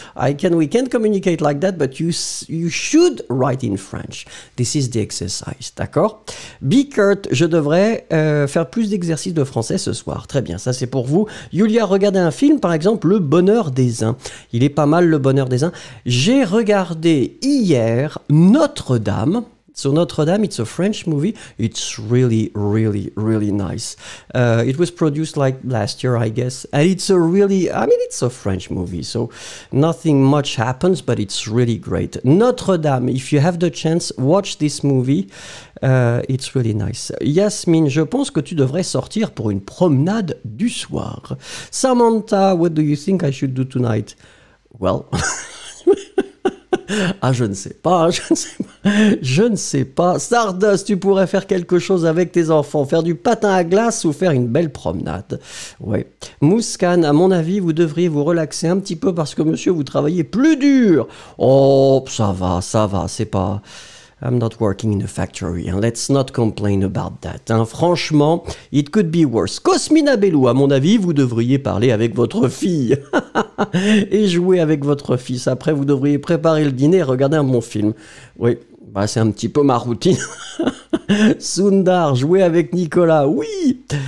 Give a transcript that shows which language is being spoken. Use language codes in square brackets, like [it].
[en] We can't communicate like that, but you should write in French. This is the exercise, d'accord? [fr] Bickert, je devrais faire plus d'exercices de français ce soir. Très bien, ça c'est pour vous. Julia, regardez un film, par exemple, Le Bonheur des Uns. Il est pas mal, Le Bonheur des Uns. J'ai regardé hier Notre-Dame. [en] So Notre-Dame, it's a French movie. It's really, really, really nice. It was produced like last year, I guess. And it's a really, I mean, it's a French movie. So nothing much happens, but it's really great. Notre-Dame, if you have the chance, watch this movie. It's really nice. [fr] Yasmine, je pense que tu devrais sortir pour une promenade du soir. [en] Samantha, what do you think I should do tonight? Well... [fr] Ah, je ne sais pas. Stardust, tu pourrais faire quelque chose avec tes enfants, faire du patin à glace ou faire une belle promenade. Ouais. Mouskan, à mon avis, vous devriez vous relaxer un petit peu parce que, monsieur, vous travaillez plus dur. Oh, ça va, c'est pas... [en] I'm not working in a factory, and let's not complain about that. [fr] Hein. Franchement, [en] it could be worse. [fr] Cosmina Bello, à mon avis, vous devriez parler avec votre fille. Et jouer avec votre fils. Après, vous devriez préparer le dîner et regarder un bon film. Oui, bah, c'est un petit peu ma routine. Sundar, jouer avec Nicolas. Oui.